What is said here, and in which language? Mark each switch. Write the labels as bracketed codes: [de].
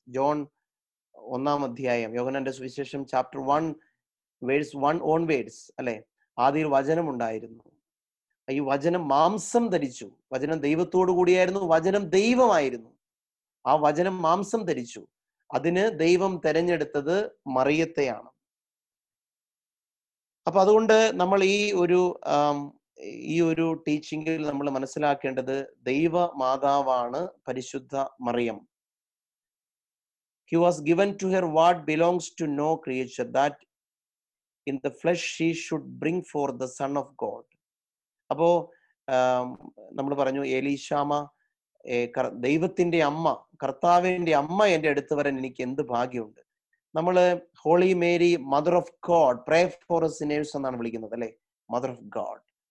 [ml] John 1:1, യോഹന്നാന്റെ സുവിശേഷം 1:1 അല്ലെ, ആദ്യ വചനം ഉണ്ടായിരുന്നു, ഈ വചനം മാംസം ധരിച്ചു, വചനം ദൈവത്തോടു കൂടിയായിരുന്നു, വചനം ദൈവമായിരുന്നു, ആ വചനം മാംസം ധരിച്ചു, അതിന് ദൈവം തെരഞ്ഞെടുത്തത് മറിയത്തെയാണ്. അപ്പൊ അതുകൊണ്ട് നമ്മൾ ഈ ഒരു ഈ ഒരു ടീച്ചിങ്ങിൽ നമ്മൾ മനസ്സിലാക്കേണ്ടത് ദൈവ മാതാവാണ് പരിശുദ്ധ Mariyam. [en] He was given to her what belongs to no creature, that in the flesh she should bring forth the Son of God. [ml] അപ്പോൾ നമ്മൾ പറഞ്ഞു എലീശാമ ദൈവത്തിൻ്റെ അമ്മ, കർത്താവിൻ്റെ അമ്മ എൻ്റെ അടുത്ത് വരാൻ എനിക്ക് എന്ത് ഭാഗ്യമുണ്ട്. നമ്മൾ [en] holy Mary mother of God, pray for a sinners [ml] എന്നാണ് വിളിക്കുന്നത് അല്ലേ, [en] Mother of God.